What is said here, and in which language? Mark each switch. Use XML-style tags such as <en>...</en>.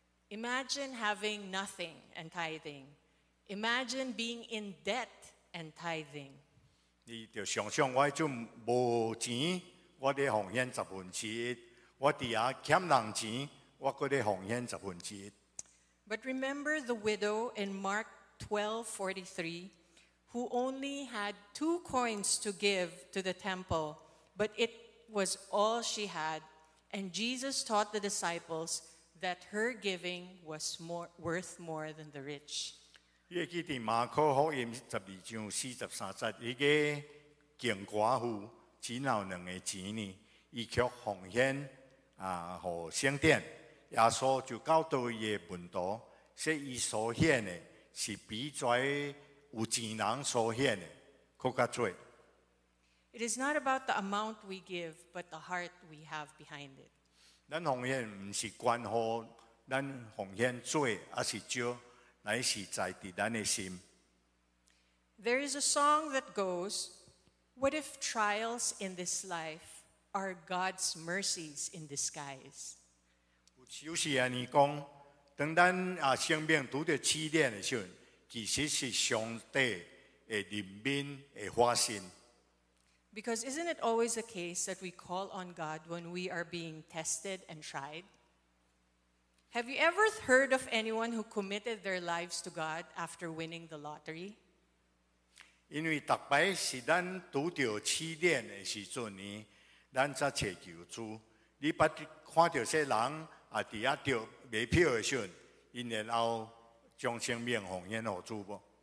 <en>Imagine having nothing and tithing. Imagine being in debt. And tithing.</en> <nan>你就想想，我就无钱，我咧奉献十分之一；我伫遐欠人钱，我搁咧奉献十分之一。</nan> <en>But remember the widow in Mark 12:43, who only had 2 coins to give to the temple, but it was all she had. And Jesus taught the disciples that her giving was worth more than the rich.</en> <nan>你会记得马可福音12:43，一个穷寡妇只有两个钱呢，伊却奉献啊，予圣殿。耶稣就教导伊的门徒，说伊所献的是比跩有钱人所献的搁较多。</nan> <en>It is not about the amount we give, but the heart we have behind it.</en> <nan>咱奉献唔是关乎咱奉献多还是少。乃是在地咱的心。</nan> <en>There is a song that goes, What if trials in this life are God's mercies in disguise?</en> <nan>有时候你说,当咱生命拄着试炼的时候,其实是上帝的怜悯的发生。</nan> <en>Because isn't it always the case that we call on God when we are being tested and tried? Have you ever heard of anyone who committed their lives to God after winning the lottery?</en> <nan>因为每次是咱拄着试炼的时阵呢，咱才找求主。你捌看到些人啊，伫遐着买票的时阵，因然后将生命奉献给主不？</nan>